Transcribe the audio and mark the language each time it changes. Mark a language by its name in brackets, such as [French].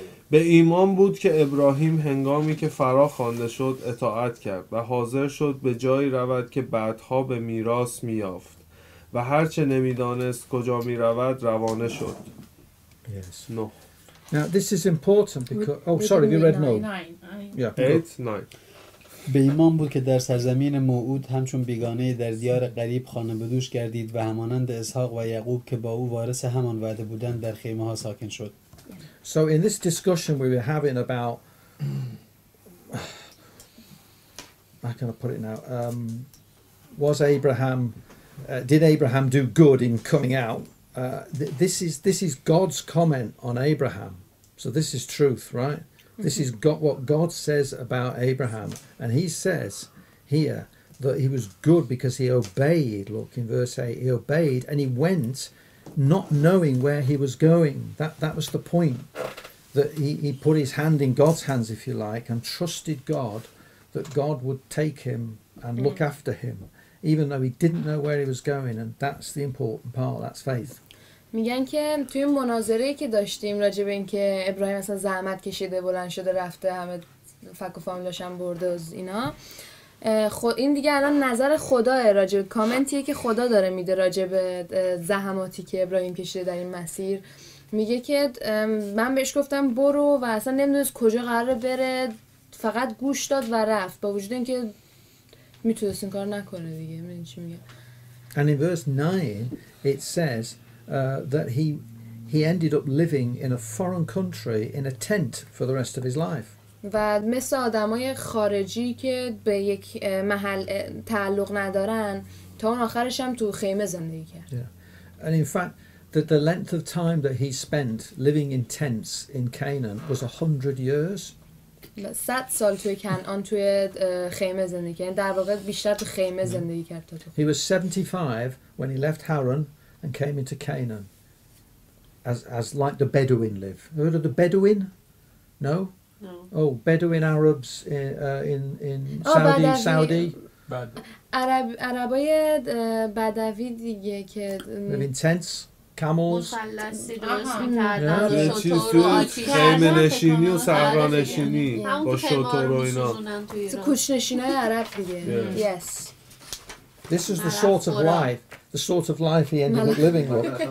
[Persian] به ایمان بود که ابراهیم هنگامی که فرا خوانده شد اطاعت کرد و حاضر شد به جایی رود که بعدها به میراث میافت و هرچه نمیدانست کجا میرود روانه شد. [English] Yes. No. Now this is important because oh sorry you read nine. Yeah. 8 9 [Persian] به ایمان بود که در سرزمین موعود همچون بیگانه در دیار غریب خانه بدوش گردید و همانند اسحاق و یعقوب که با او وارث همان وعده بودند در خیمه ها ساکن شد. [English] So in this discussion we were having about how can I put it now was Abraham did Abraham do good in coming out? This is God's comment on Abraham. So this is truth, right? Mm-hmm. This is God, what God says about Abraham. And he says here that he was good because he obeyed. Look in verse 8, he obeyed and he went not knowing where he was going. That was the point, that he put his hand in God's hands, if you like, and trusted God that God would take him and look mm-hmm. after him. Even though he didn't know where he was going, and that's the important part. That's faith. [Persian] میگن که توی مناظره‌ای که داشتیم راجع به این که ابراهیم مثلا زحمت کشیده بلند شده رفته همه فک و فامیلاش هم برده از اینا این دیگه الان نظر خداه راجع به کامنتیه که خدا داره میده راجع به زحماتی که ابراهیم کشیده در این مسیر میگه که من بهش گفتم برو و اصلا نمیدونست کجا قراره بره فقط گوش داد و رفت با وجود اینکه [English] And in verse 9, it says that he ended up living in a foreign country in a tent for the rest of his life. [Persian] و مثل آدمای خارجی که به یک محل تعلق ندارن تا اون آخرش هم تو خیمه زندگی کرد. Yeah. [English] And in fact that the length of time that he spent living in tents in Canaan was 100 years. [Persian] 100 سال توی کنعان توی خیمه زندگی کرد. در واقع بیشتر تو خیمه زندگی کرد تا تو. [English] He was 75 when he left Haran and came into Canaan. As like the Bedouin live. Heard of the Bedouin? No. No. Oh, Bedouin Arabs in Saudi. [Persian] Arabay Badawi dige ke [English] in tents, camels. مثلث سیدارش می‌کردن و شطور و آتشینی با شطور و اینا. [Persian] تو کوچ‌نشینای عرب دیگه. [English] Yes. This is the sort of life he ended up living with.